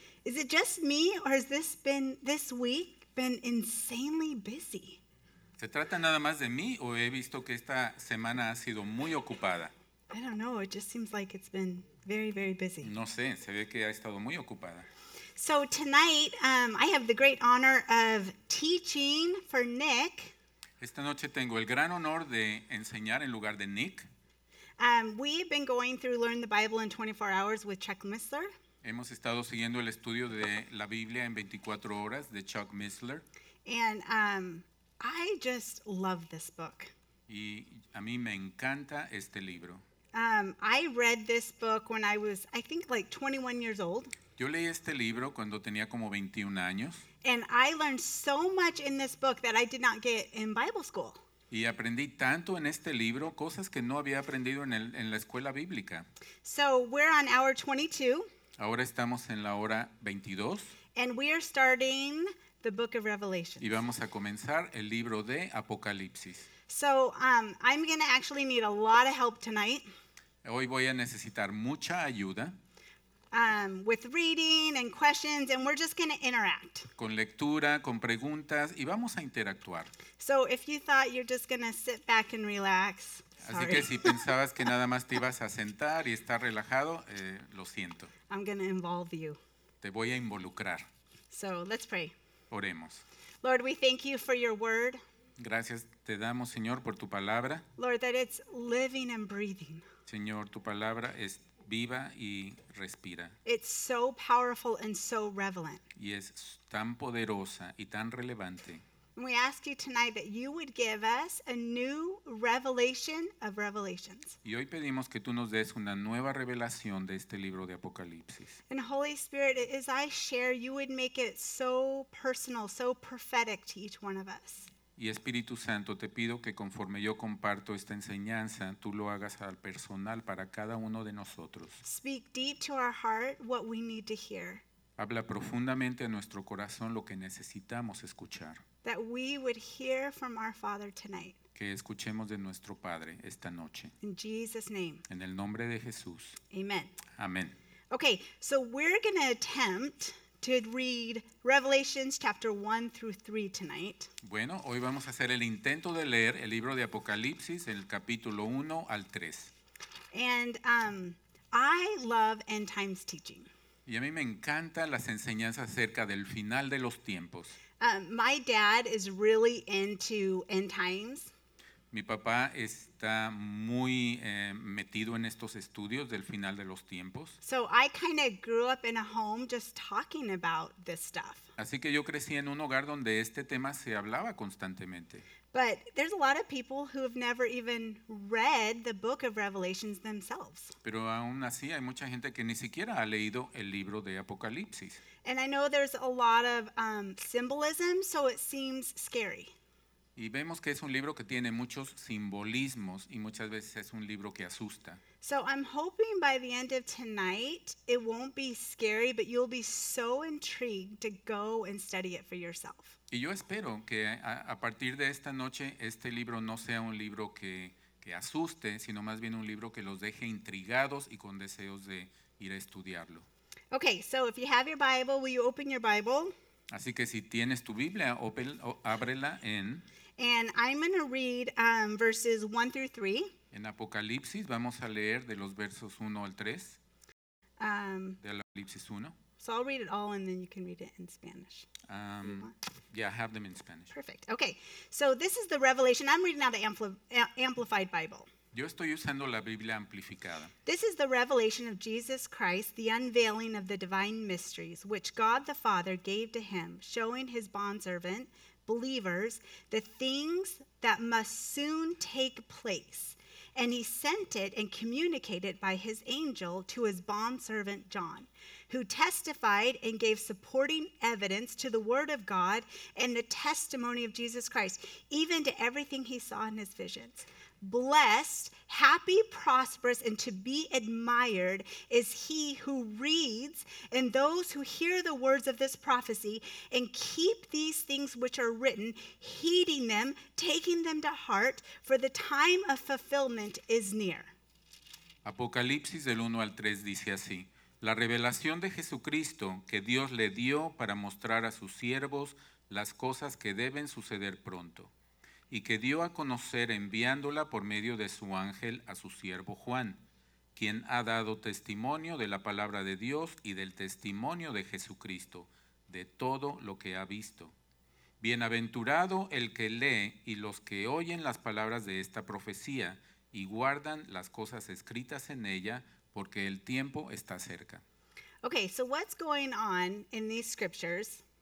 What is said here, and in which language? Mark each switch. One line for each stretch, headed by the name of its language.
English: Is it just me or has this week been insanely busy?
Spanish: ¿Se trata nada más de mí o he visto que esta semana ha sido muy ocupada?
English: I don't know, it just seems like it's been very, very busy.
Spanish: No sé, se ve que ha estado muy ocupada.
English: So tonight, I have the great honor of teaching for Nick.
Spanish: Esta noche tengo el gran honor de enseñar en lugar de Nick.
English: We've been going through Learn the Bible in 24 Hours with Chuck Missler.
Spanish: Hemos estado siguiendo el estudio de la Biblia en 24 horas de Chuck Missler.
English: And I just love this book.
Spanish: Y a mí me encanta este libro.
English: I read this book when I was, I think, like 21 years old.
Spanish: Yo leí este libro cuando tenía como 21 años.
English: And I learned so much in this book that I did not get in Bible school.
Spanish: Y aprendí tanto en este libro, cosas que no había aprendido en la escuela bíblica.
English: So we're on hour 22.
Spanish: Ahora estamos en la hora 22.
English: And we are starting the book of Revelation.
Spanish: Y vamos a comenzar el libro de Apocalipsis.
English: So I'm going to actually need a lot of help tonight.
Spanish: Hoy voy a necesitar mucha ayuda.
English: With reading and questions, and we're just going to interact.
Spanish: Con lectura, con preguntas, y vamos a interactuar.
English: So if you thought you're just going to sit back and relax, sorry.
Spanish: Así que si pensabas que nada más te ibas a sentar y estar relajado, lo siento.
English: I'm going to involve you.
Spanish: Te voy a involucrar.
English: So let's pray.
Spanish: Oremos.
English: Lord, we thank you for your word.
Spanish: Gracias te damos, Señor, por tu palabra.
English: Lord, that it's living and breathing.
Spanish: Señor, tu palabra es viva y respira.
English: It's so powerful and so relevant.
Spanish: Y es tan poderosa y tan relevante.
English: We ask you tonight that you would give us a new revelation of revelations.
Spanish: Y hoy pedimos que tú nos des una nueva revelación de este libro de Apocalipsis.
English: And Holy Spirit, as I share, you would make it so personal, so prophetic to each one of us.
Spanish: Y Espíritu Santo, te pido que conforme yo comparto esta enseñanza, tú lo hagas al personal para cada uno de nosotros.
English: Speak deep to our heart what we need to hear.
Spanish: Habla profundamente a nuestro corazón lo que necesitamos escuchar.
English: That we would hear from our Father tonight.
Spanish: Que escuchemos de nuestro Padre esta noche.
English: In Jesus' name.
Spanish: En el nombre de Jesús.
English: Amen.
Spanish: Amén.
English: Okay, so we're going to attempt to read Revelations chapter 1 through 3 tonight.
Spanish: Bueno, hoy vamos a hacer el intento de leer el libro de Apocalipsis, el capítulo 1 al 3.
English: And I love end times teaching.
Spanish: Y a mí me encantan las enseñanzas acerca del final de los tiempos.
English: My dad is really into end times.
Spanish: Mi papá está muy metido en estos estudios del final de los tiempos.
English: So I kind of grew up in a home just talking about this stuff.
Spanish: Así que yo crecí en un hogar donde este tema se hablaba constantemente.
English: But there's a lot of people who have never even read the book of Revelations themselves.
Spanish: Pero aún así hay mucha gente que ni siquiera ha leído el libro de Apocalipsis.
English: And I know there's a lot of symbolism, so it seems scary.
Spanish: Y vemos que es un libro que tiene muchos simbolismos y muchas veces es un libro que asusta.
English: So I'm hoping by the end of tonight it won't be scary, but you'll be so intrigued to go and study it for yourself.
Spanish: Y yo espero que a partir de esta noche este libro no sea un libro que asuste, sino más bien un libro que los deje intrigados y con deseos de ir a estudiarlo.
English: Okay, so if you have your Bible, will you open your Bible?
Spanish: Así que si tienes tu Biblia, ábrela en...
English: And I'm going to read verses 1 through 3.
Spanish: En Apocalipsis vamos a leer de los versos 1 al 3. De Apocalipsis 1.
English: So I'll read it all and then you can read it in Spanish. Yeah, I have them in Spanish. Perfect. Okay, so this is the revelation. I'm reading out of Amplified Bible.
Spanish: Yo estoy usando la Biblia amplificada.
English: This is the revelation of Jesus Christ, the unveiling of the divine mysteries, which God the Father gave to him, showing his bondservant, believers, the things that must soon take place. And he sent it and communicated by his angel to his bondservant John, who testified and gave supporting evidence to the word of God and the testimony of Jesus Christ, even to everything he saw in his visions. Blessed, happy, prosperous, and to be admired is he who reads and those who hear the words of this prophecy and keep these things which are written, heeding them, taking them to heart, for the time of fulfillment is near.
Spanish: Apocalipsis del 1 al 3 dice así: La revelación de Jesucristo que Dios le dio para mostrar a sus siervos las cosas que deben suceder pronto, y que dio a conocer enviándola por medio de su ángel a su siervo Juan, quien ha dado testimonio de la palabra de Dios y del testimonio de Jesucristo, de todo lo que ha visto. Bienaventurado el que lee y los que oyen las palabras de esta profecía y guardan las cosas escritas en ella, porque el tiempo está cerca.
English: Okay, so what's going on in these scriptures?